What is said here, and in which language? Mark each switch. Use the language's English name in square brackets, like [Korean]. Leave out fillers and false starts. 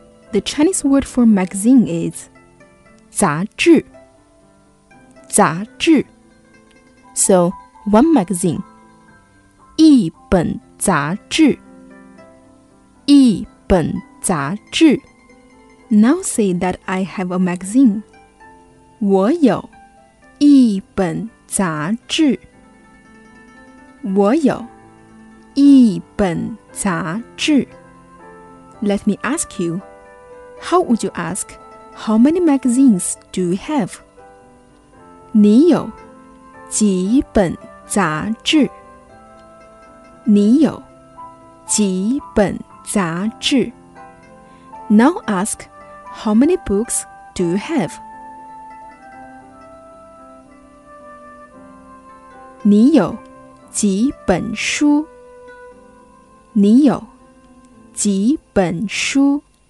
[English] The Chinese word for magazine is [Chinese] 杂志杂志 [English] So, one magazine [Chinese] 一本杂志一本杂志 [English] Now say that I have a magazine [Chinese] 我有一本杂志我有一本杂志 [English] Let me ask youHow would you ask, how many magazines do you have? [Chinese] 你有几本杂志你有几本杂志 [English] Now ask, how many books do you have? [Chinese] 你有几本书你有几本书